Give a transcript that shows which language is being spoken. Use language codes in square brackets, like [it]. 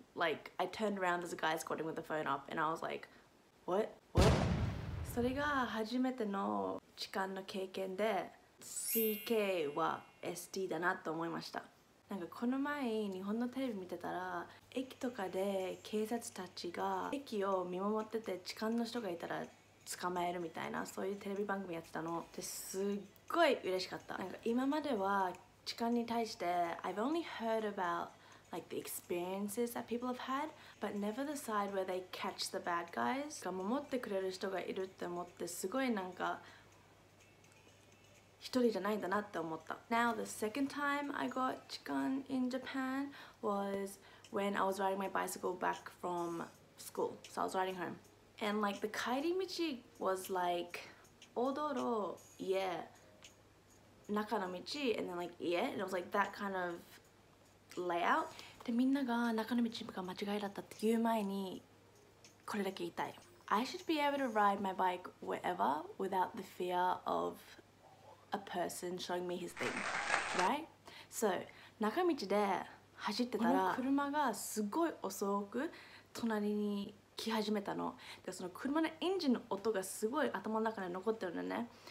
[en] Like, I turned around, there's a guy squatting with the phone up, and I was like, what? What? [ja] それが初めての痴漢の経験で、CK は SD だなと思いました。なんかこの前、日本のテレビ見てたら、駅とかで警察たちが駅を見守ってて、痴漢の人がいたら、捕まえるみたいな、そういうテレビ番組やってたのですっごい嬉しかった。なんか今までは痴漢に対して [en] I've only heard about like the experiences that people have had but never the side where they catch the bad guys [ja] が守ってくれる人がいるって思って、すごいなんか一人じゃないんだなって思った。 [en] Now the second time I got 痴漢 in Japan was when I was riding my bicycle back from school. So I was riding homeAnd like the 帰り道 was like [ja] 大道路、家、中の道、 [en] and then like 家、and it was like that kind of layout. [ja] で、みんなが中の道が間違いだったっていう前に、これだけ言いたい。 [en] I should be able to ride my bike wherever without the fear of a person showing me his thing, right? [ja] So, 中道で走ってたら、この車がすごい遅く隣に来始めたの。で、その車のエンジンの音がすごい頭の中に残ってるのね。